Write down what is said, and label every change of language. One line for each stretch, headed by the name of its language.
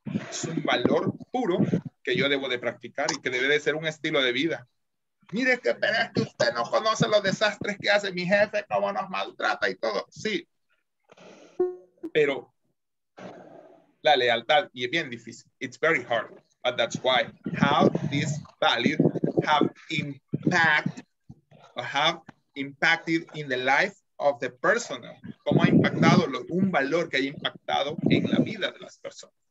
Spanish: Es un valor puro que yo debo de practicar y que debe de ser un estilo de vida. Mire, que pero es que usted no conoce los desastres que hace mi jefe, cómo nos maltrata y todo. Sí, pero la lealtad, y es bien difícil.
English: It's very hard, but that's why. How this value have impact, or have impacted in the life of the personnel.
Spanish: Cómo ha impactado un valor que ha impactado en la vida de las personas.